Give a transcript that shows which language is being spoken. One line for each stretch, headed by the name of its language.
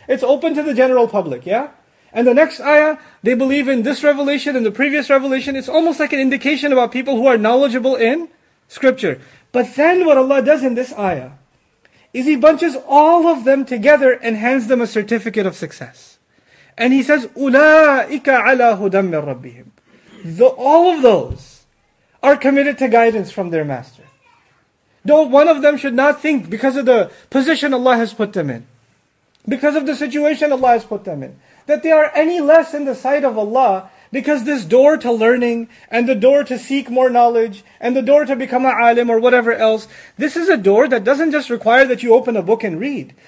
English: It's open to the general public, yeah? And the next ayah, they believe in this revelation and the previous revelation. It's almost like an indication about people who are knowledgeable in scripture. But then what Allah does in this ayah, is He bunches all of them together and hands them a certificate of success. And He says,
Arabic: أُولَٰئِكَ عَلَىٰ هُدَىٰ مِّن رَبِّهِمْ.
English: All of those are committed to guidance from their master. Don't one of them should not think because of the position Allah has put them in, because of the situation Allah has put them in, that they are any less in the sight of Allah, because this door to learning and the door to seek more knowledge and the door to become an alim or whatever else, this is a door that doesn't just require that you open a book and read.